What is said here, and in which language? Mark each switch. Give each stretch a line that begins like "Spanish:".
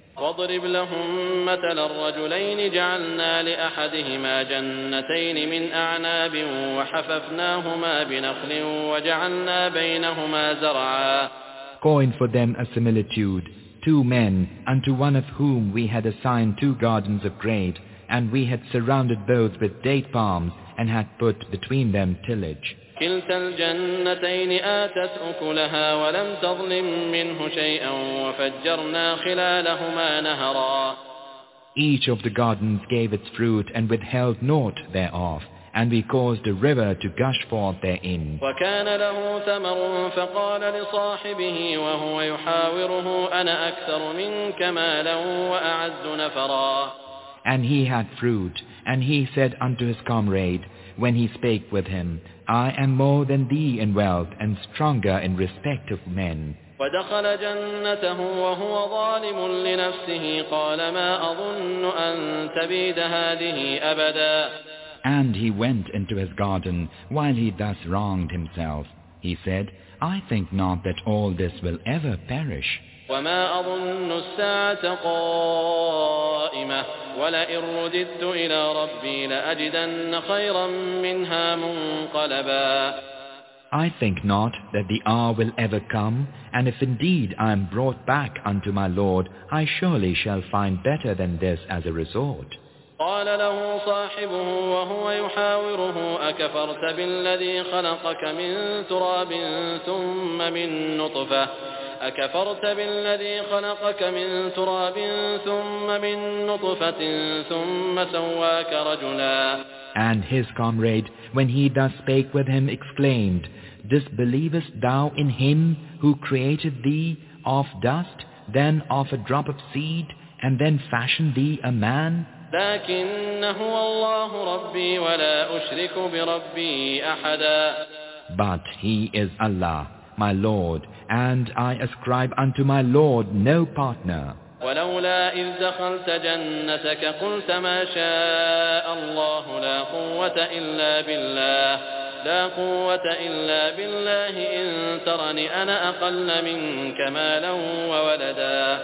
Arabic: وَاضْرِبْ لَهُمْ مَثَلَ الرَّجُلَيْنِ جَعَلْنَا لِأَحَدِهِمَا جَنَّتَيْنِ مِنْ أَعْنَابٍ وَحَفَفْنَاهُمَا بِنَخْلٍ وَجَعَلْنَا بَيْنَهُمَا زَرْعًا.
English: Coin for them a similitude, two men, unto one of whom we had assigned two gardens of grape, and we had surrounded both with date palms, and had put between them tillage.
Arabic: كلتا الجنتين آتت أكلها ولم تظلم منه شيئا وفجرنا خلالهما نهرا.
English: Each of the gardens gave its fruit and withheld naught thereof, and we caused a river to gush forth therein.
Arabic: وكان له ثمر فقال لصاحبه وهو يحاوره أنا أكثر منك مالا وأعز نفرا.
English: And he had fruit, and he said unto his comrade, when he spake with him, I am more than thee in wealth and stronger in respect of men.
Arabic: ودخل جنته وهو ظالم لنفسه قال ما أظن أن تبيد هذه أبدا.
English: And he went into his garden while he thus wronged himself. He said, I think not that all this will ever perish.
Arabic: وما أظن الساعة قائمة ولئن رددت إلى ربي لأجدن خيرا منها منقلبا.
English: I think not that the hour will ever come, and if indeed I am brought back unto my Lord, I surely shall find better than this as a resort.
Arabic: قال له صاحبه وهو يحاوره أكفرت بالذي خلقك من تراب ثم من نطفة أكفرت بالذي خلقك من تراب ثم من نطفة ثم سواك رجلا.
English: And his comrade, when he thus spake with him, exclaimed, Disbelievest thou in him who created thee of dust, then of a drop of seed, and then fashioned thee a man?
Arabic: لكن هو الله ربي ولا أشرك بربي أحدا.
English: But he is Allah, my Lord, and I ascribe unto my Lord no partner.
Arabic: ولولا إذ دخلت جنتك قلت ما شاء الله لا قوة إلا بالله لا قوة إلا بالله إن ترني أنا أقل منك مالا وولدا.